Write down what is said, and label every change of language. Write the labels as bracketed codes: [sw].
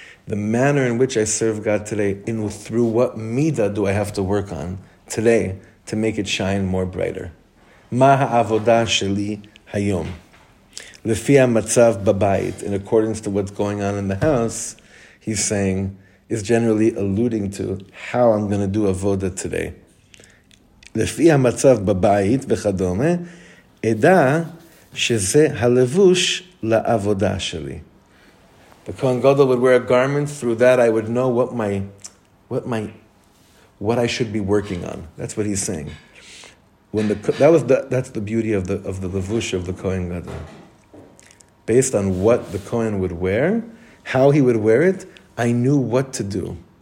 [en] The manner in which I serve God today, in through what midah do I have to work on today to make it shine more brighter? [he] Ma ha'avodah sheli hayom. Lefi ha'matzav babayit. [en] In accordance to what's going on in the house, he's saying, is generally alluding to how I'm going to do avoda today. [he] לפי המצב בבית וכדומה, אדע שזה הלבוש לעבודה שלי. [en] The Kohen Gadol would wear a garment. Through that, I would know what I should be working on. That's what he's saying. That's the beauty of the levush of the Kohen Gadol. Based on what the Kohen would wear, how he would wear it, I knew what to do.